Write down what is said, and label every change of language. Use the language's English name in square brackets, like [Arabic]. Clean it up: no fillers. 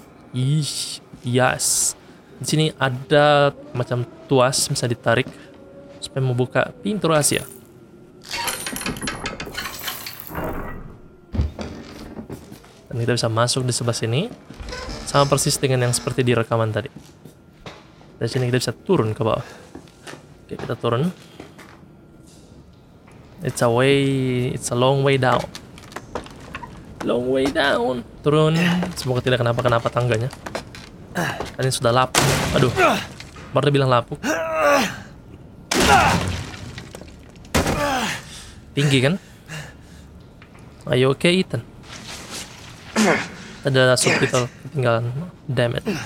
[Indonesian] Ish, yes. Di sini ada macam tuas bisa ditarik supaya membuka pintu rahasia. Dan kita bisa masuk di sebelah sini sama persis dengan yang seperti di rekaman tadi. Dari sini kita bisa turun ke bawah. Oke, kita turun. [English] It's a way, it's a long way down. Long way down. [Indonesian] Turun, semoga tidak kenapa-kenapa tangganya. Dan ini sudah lapuk. Aduh, baru dia bilang lapuk. Tinggi kan? Ayo, oke, okay, Ethan. Ada subtitle ketinggalan. [English] Damn it.